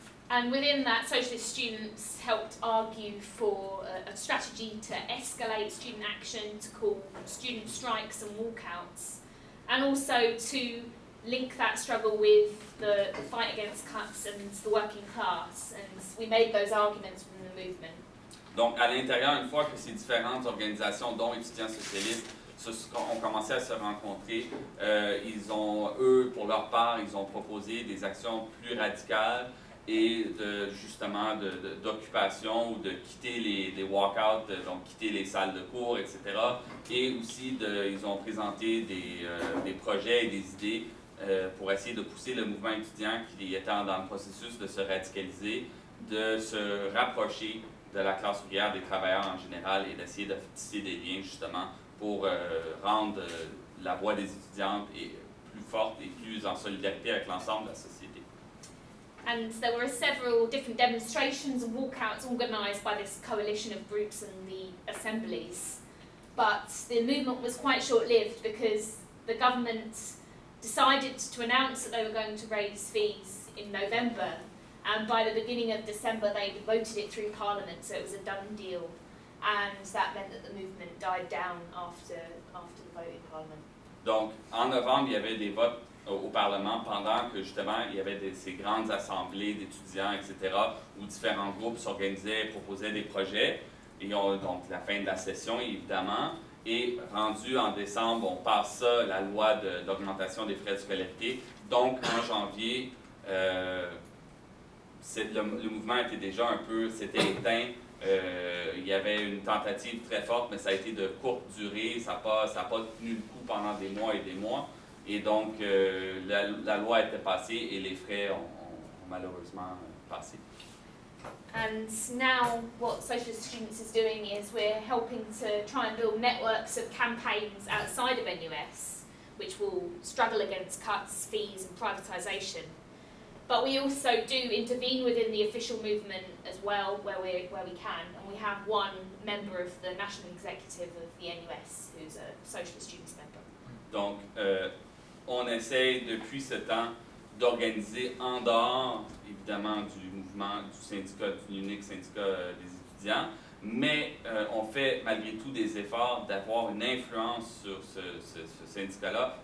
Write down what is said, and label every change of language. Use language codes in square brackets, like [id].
[en] And within that, socialist students helped argue for a strategy to escalate student action, to call student strikes and walkouts, and also to link that struggle with the fight against cuts and the working class. And we made those arguments from the movement. [fr] Donc, à l'intérieur, une fois que ces différentes organisations, dont étudiants socialistes, ont commencé à se rencontrer, ils ont, eux, pour leur part, ils ont proposé des actions plus radicales. Et de, justement d'occupation ou de quitter les walkouts, donc quitter les salles de cours, etc. Et aussi, ils ont présenté des projets et des idées pour essayer de pousser le mouvement étudiant qui était dans le processus de se radicaliser, de se rapprocher de la classe ouvrière, des travailleurs en général, et d'essayer de tisser des liens justement pour rendre la voix des étudiantes plus forte et plus en solidarité avec l'ensemble de la société. [en] And there were several different demonstrations and walkouts organised by this coalition of groups and the assemblies. But the movement was quite short-lived because the government decided to announce that they were going to raise fees in November. And by the beginning of December, they voted it through Parliament, so it was a done deal. And that meant that the movement died down after the vote in Parliament. [fr] Donc, en novembre, il y avait des votes au Parlement, pendant que justement il y avait ces grandes assemblées d'étudiants, etc., où différents groupes s'organisaient et proposaient des projets. Et on, donc la fin de la session, évidemment. Et rendu en décembre, on passe la loi d'augmentation des frais de scolarité. Donc en janvier, le mouvement était déjà un peu, c'était éteint. Il y avait une tentative très forte, mais ça a été de courte durée. Ça n'a pas tenu le coup pendant des mois et des mois. Et donc, la loi était passée et les frais ont malheureusement passé. [en] And now what Socialist Students is doing is we're helping to try and build networks of campaigns outside of NUS, which will struggle against cuts, fees and privatisation. But we also do intervene within the official movement as well, where we can. And we have one member of the National Executive of the NUS who's a Socialist Students member. [fr] Donc, on essaie depuis ce temps d'organiser en dehors, évidemment, du mouvement du syndicat, du unique syndicat des étudiants, mais on fait malgré tout des efforts d'avoir une influence sur ce syndicat-là.